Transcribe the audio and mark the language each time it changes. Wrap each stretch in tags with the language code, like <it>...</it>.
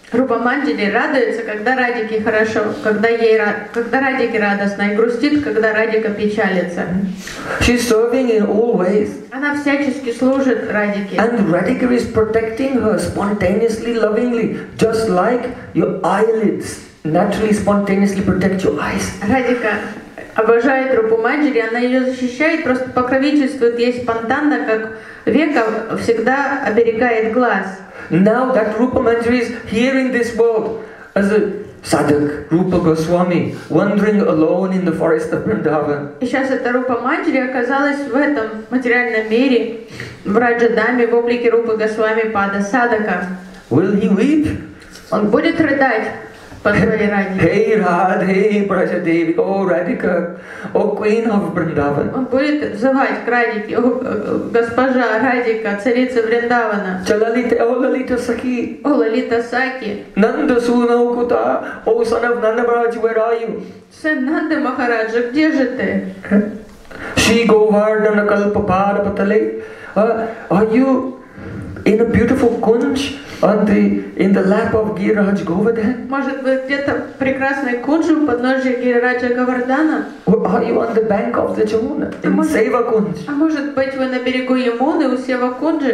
<ru>Rupa Manjali радуется, когда Радике хорошо, когда ей когда Радике радостно, и грустит, когда Радика печалится.</ru> <en>She's serving in all ways.</en> <ru>Она всячески служит Радике.</ru> <en>And Radhika is protecting her spontaneously, lovingly, just like your eyelids naturally, spontaneously protect your eyes.</en> <ru>Радика обожает Рупу Манджари, она ее защищает, просто покровительствует ей спонтанно, как века всегда оберегает глаз.</ru> <en>Now that Rupa Manjari is here in this world as a sadhak, Rupa Goswami, wandering alone in the forest of Vrindavan.</en> <ru>И сейчас эта Рупа Манджари оказалась в этом материальном мире, в Раджа-даме, в облике Рупы Госвами Пада Садака.</ru> <en>Will he weep?</en> <ru>Он будет рыдать.</ru> <en>Hey Radha, hey Praja Devi, oh Radhika, oh Queen of Vrindavan.</en> <ru>Он будет звать к Радике, о госпожа Радика, царица Вриндавана. Чалалита, о Лалита Сахи. О Лалита Сахи.</ru> <sa>Нанда Суна Укута,</sa> <en>о Son of Nanda Maharaj, where are you?</en> <ru>Сын Нанда Махараджа, где же ты?</ru> <sa>Shri Govardhana Kalpa Parapatale.</sa> <en>Are you in a beautiful kunj? In the lap of Giriraj Govardhan?</en> <ru>Может быть, где-то прекрасный кунж у подножия Гирираджа Говардана?</ru> <en>Are you on the bank of the Yamuna? In Seva Kunj?</en> <ru>А может быть, вы на берегу Ямуны у Сева Кунджи?</ru>